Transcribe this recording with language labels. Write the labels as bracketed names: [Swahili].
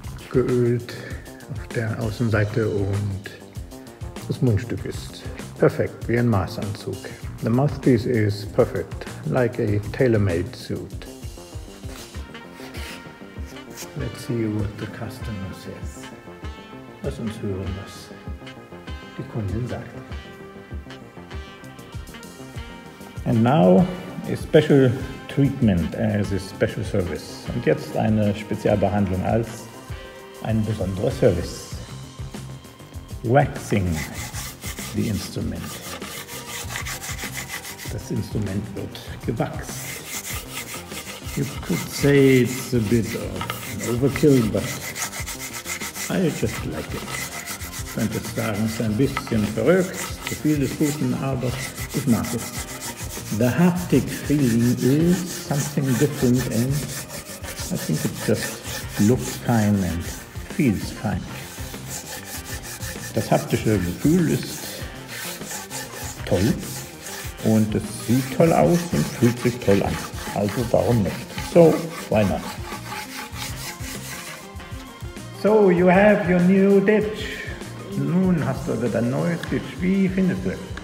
[German] Geölt auf der Außenseite und das Mundstück ist perfekt, wie ein Maßanzug. [English] The mouthpiece is perfect, like a tailor-made suit. Let's see what the customer says. [German] Lass uns hören, was die Kundin sagt. [English] And now a special treatment as a special service. [German] Und jetzt eine Spezialbehandlung als ein besonderer Service. [English] Waxing the instrument. [German] Das Instrument wird gewachst. [English] You could say it's a bit of an overkill, but I just like it. [German] Ich könnte sagen, es ist ein bisschen verrückt, zu viel des Guten, aber ich mag es. [English] The haptic feeling is something different and I think it just looks fine and feels fine. [German] Das haptische Gefühl ist toll und es sieht toll aus und fühlt sich toll an. Also warum nicht? [English] So, why not? So, you have your new ditch. [German] Nun hast du wieder ein neues Ditch. Wie findest du es?